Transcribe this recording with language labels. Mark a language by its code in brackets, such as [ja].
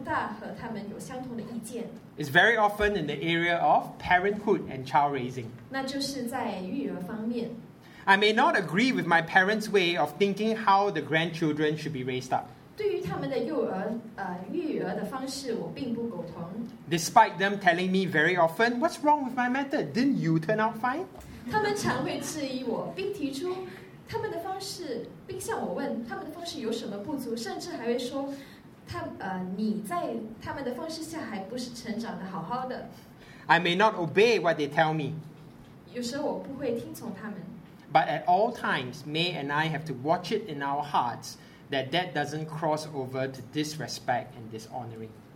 [zh] 我和我太太有在接下来的这一方面，我们不大和他们有相同的意见。 [en] It's very often in the area of parenthood and child raising. [zh] 那就是在育儿方面。 [en] I may not agree with my parents' way of thinking how the grandchildren should be raised up. [zh] 对于他们的育儿的方式，我并不苟同。 [en] Despite them telling me very often, what's wrong with my method? Didn't you turn out fine? [zh] 他们常会质疑我，并提出他们的方式，并向我问他们的方式有什么不足，甚至还会说，你在他们的方式下还不是成长得好好的。 [en] I may not obey what they tell me. [zh] 有时候我不会听从他们。 [en] But at all times, May and I have to watch it in our hearts that that doesn't cross over to disrespect and dishonoring.